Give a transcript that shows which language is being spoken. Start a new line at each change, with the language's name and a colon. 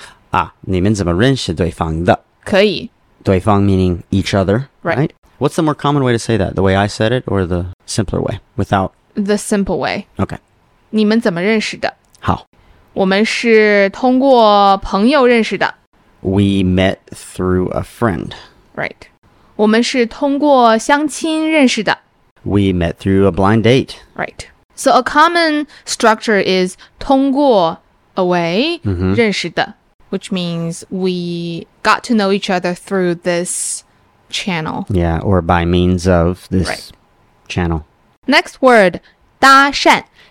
Chinese: 啊,你们怎么认识对方的? 可以。
English: 对方 meaning each other, right? What's the more common way to say that? The way I said it or the simpler way without... The simple way. Okay.
Chinese: 你们怎么认识的? 好。我们是通过朋友认识的。
English: We met through a friend. Right.
Chinese: 我们是通过相亲认识的。
English: We met through a blind date. Right. So a common structure is 通过 a way 认识的 which means we got to know each other through this channel. Yeah, or by means of this channel. Next word, 搭讪。